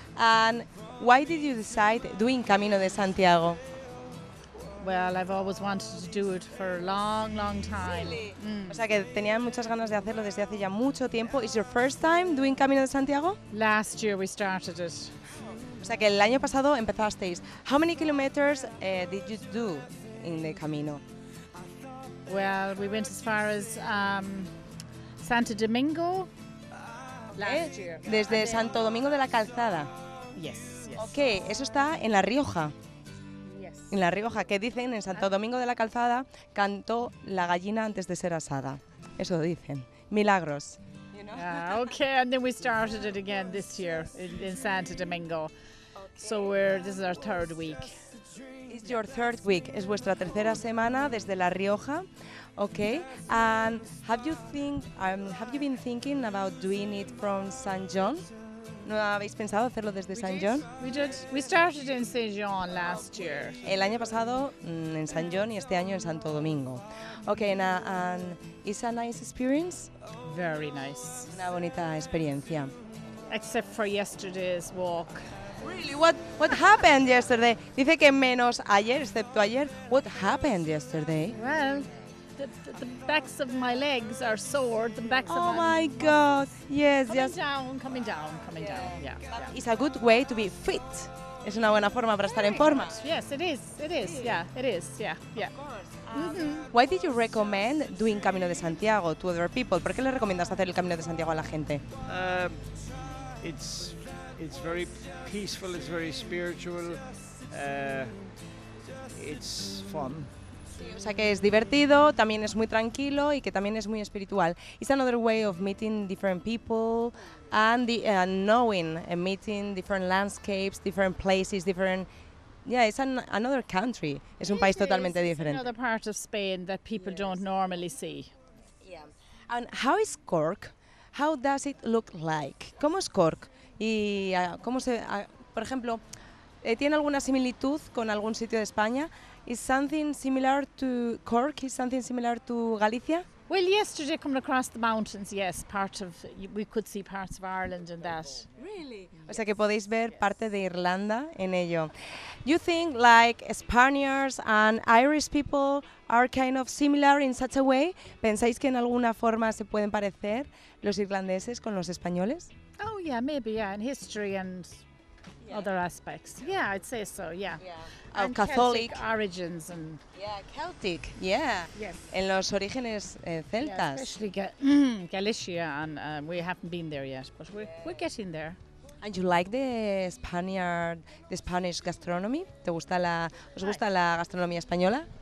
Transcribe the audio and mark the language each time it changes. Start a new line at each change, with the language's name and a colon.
English: And why did you decide doing Camino de Santiago? Well, I've always wanted to do it for a long, long time. Really?
Spanish: Mm. O sea, que tenía muchas ganas de hacerlo desde hace ya mucho tiempo.
English: Is your first time doing Camino de Santiago? Last year we started it.
Spanish: O sea, que el año pasado empezasteis.
English: How many kilometers did you do in the Camino? Well, we went as far as Santo Domingo last year.
Spanish: Desde Santo Domingo de la Calzada.
English: Yes, yes.
Spanish: Okay, eso está en La Rioja.
English: Yes.
Spanish: En La Rioja, que dicen en Santo Domingo de la Calzada cantó la gallina antes de ser asada. Eso dicen. Milagros.
English: Okay, and then we started it again this year in Santo Domingo. So this is our third week. It's your third week.
Spanish: Es vuestra tercera semana desde La Rioja.
English: Okay. And have you been thinking about doing it from Saint John?
Spanish: ¿No habéis pensado hacerlo desde Saint John?
English: We started in Saint John last year.
Spanish: El año pasado en Saint John y este año en Santo Domingo.
English: Okay, and it's a nice experience? Very nice.
Spanish: Una bonita experiencia.
English: Except for yesterday's walk. Really? What happened yesterday?
Spanish: Dice que menos ayer, excepto ayer.
English: What happened yesterday? Well, the backs of my legs are sore. The backs of my. Oh my God! Yes, yes. Coming down. Yeah. It's a good way to be fit.
Spanish: Es una buena forma para estar en forma.
English: Yes, it is. It is. Yeah. It is. Yeah. Yeah. Of course. Mm-hmm. Why did you recommend doing Camino de Santiago to other people?
Spanish: ¿Por qué le recomiendas hacer el Camino de Santiago a la gente?
English: It's very peaceful. It's very spiritual. It's fun.
Spanish: Sí, o sea que es divertido, también es muy tranquilo y que también es muy espiritual.
English: It's another way of meeting different people and knowing and meeting different landscapes, different places, different Yeah, it's another country. It's
Spanish: un país totalmente diferente.
English: It's another part of Spain that people don't normally see. Yeah. And how is Cork? How does it look like?
Spanish: ¿Cómo es Cork? Y cómo se, por ejemplo, ¿tiene alguna similitud con algún sitio de España?
English: Is something similar to Cork? Is something similar to Galicia? Well, yesterday coming across the mountains, yes, part of we could see parts of Ireland and that. Really?
Spanish: O sea, que podéis ver parte de Irlanda en ello.
English: You think like Spaniards and Irish people are kind of similar in such a way?
Spanish: ¿Pensáis que en alguna forma se pueden parecer los irlandeses con los españoles?
English: Oh, yeah, maybe, yeah, in history and other aspects. Yeah, I'd say so, yeah. Oh, and Catholic. Celtic origins and... Yeah, Celtic, yeah. Yes.
Spanish: En los orígenes celtas.
English: Yeah, especially Galicia, and we haven't been there yet, but we're getting there. And you like the Spanish gastronomy?
Spanish: ¿Te gusta la, os gusta la gastronomía española?